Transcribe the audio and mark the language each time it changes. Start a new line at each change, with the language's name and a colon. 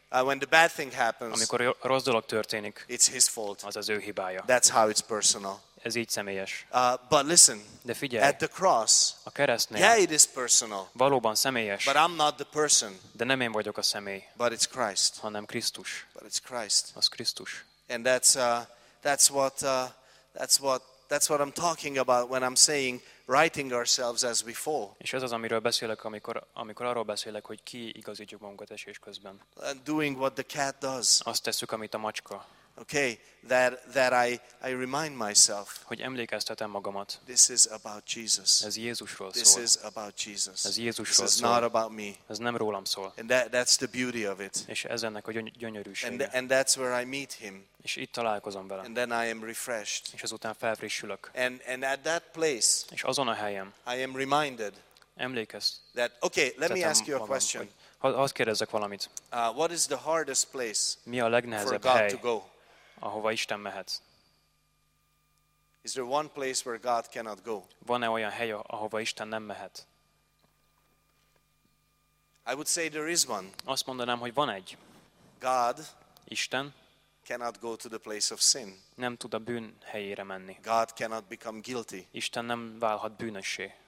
English: When the bad thing happens,
Hungarian: amikor rossz dolog történik,
English: it's his fault.
Hungarian: Az az ő hibája.
English: That's how it's personal.
Hungarian: Ez így személyes.
English: But listen,
Hungarian: de figyelj,
English: at the cross,
Hungarian: a keresztnél,
English: yeah, it is personal.
Hungarian: Valóban személyes.
English: But I'm not the person.
Hungarian: De nem én vagyok a személy.
English: But it's Christ.
Hungarian: Hanem Krisztus.
English: But it's Christ.
Hungarian: Az Krisztus.
English: And that's what I'm talking about when I'm saying writing ourselves as we fall.
Hungarian: És ez az, amiről beszélek, amikor arról beszélek, hogy ki igazítjuk magunkat esés közben.
English: Doing what the cat does.
Hungarian: Azt tesszük, amit a macska.
English: Okay, that I remind myself.
Hungarian: Hogy emlékeztetem magamat.
English: This is about Jesus.
Hungarian: Ez Jézusról
English: this
Hungarian: szól.
English: This is about Jesus.
Hungarian: Ez Jézusról
English: this is
Hungarian: szól.
English: Not about me.
Hungarian: Ez nem rólam szól.
English: And that's the beauty of it.
Hungarian: És ez ennek a gyönyörűsége.
English: And that's where I meet him.
Hungarian: És itt találkozom vele.
English: And then I am refreshed.
Hungarian: És azután felfrissülök.
English: And at that place.
Hungarian: És azon a helyen.
English: I am reminded.
Hungarian: Emlékezt.
English: That okay, let me ask you a question.
Hungarian: Azt kérdezzek valamit.
English: What is the hardest place?
Hungarian: Mi a legnehezebb
English: for God
Hungarian: hely?
English: To go?
Hungarian: Ahova Isten mehet.
English: Is there one place where God cannot go?
Hungarian: Van-e olyan hely, ahova Isten nem mehet?
English: I would say there is one.
Hungarian: Azt mondanám, hogy van egy.
English: God
Hungarian: Isten
English: cannot go to the place of sin.
Hungarian: Nem tud a bűn helyére menni.
English: God cannot become guilty.
Hungarian: Isten nem válhat bűnössé.